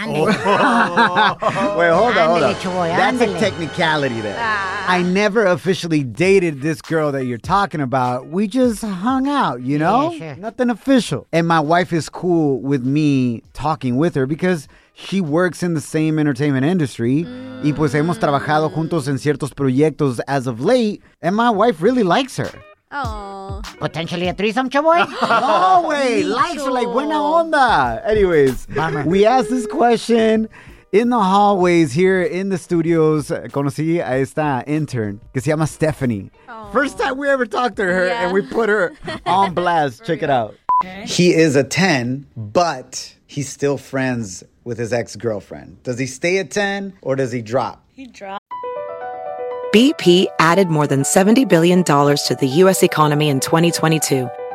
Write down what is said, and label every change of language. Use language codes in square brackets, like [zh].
[en] Wait, hold on. That's a technicality there. I never officially dated this girl that you're talking about. We just hung out, you know? Yeah, sure. Nothing official. And my wife is cool with me talking with her because she works in the same entertainment industry. [es] Y pues hemos trabajado juntos en ciertos proyectos [en] as of late. And my wife really likes her. Oh. Potentially a threesome, chavoy? No way. Likes are like [es] buena onda. [en] Anyways, we asked this question in the hallways here in the studios. [es] Conocí a esta intern que se llama Stephanie. [en] Oh. First time we ever talked to her, yeah. And we put her on blast. Check it out. Okay. He is a 10, but he's still friends with his ex-girlfriend. Does he stay a 10 or does he drop? He drops. BP added more than $70 billion to the U.S. economy in 2022.